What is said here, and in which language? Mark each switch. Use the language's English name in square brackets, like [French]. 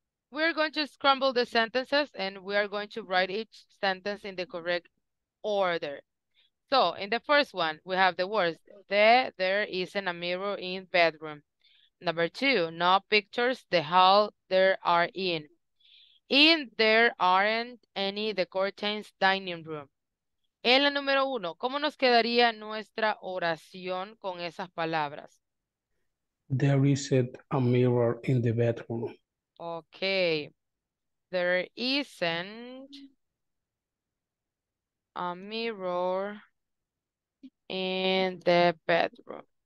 [English] We're going to scramble the sentences and we are going to write each sentence in the correct order. So in the first one, we have the words, there isn't a mirror in bedroom. Number 2, no pictures, the hall there are in. In there aren't any, the curtains, dining room. [Spanish] En la número 1, ¿cómo nos quedaría nuestra oración con esas palabras? [English] There isn't a mirror in the bedroom. Okay, there isn't a mirror in the bedroom.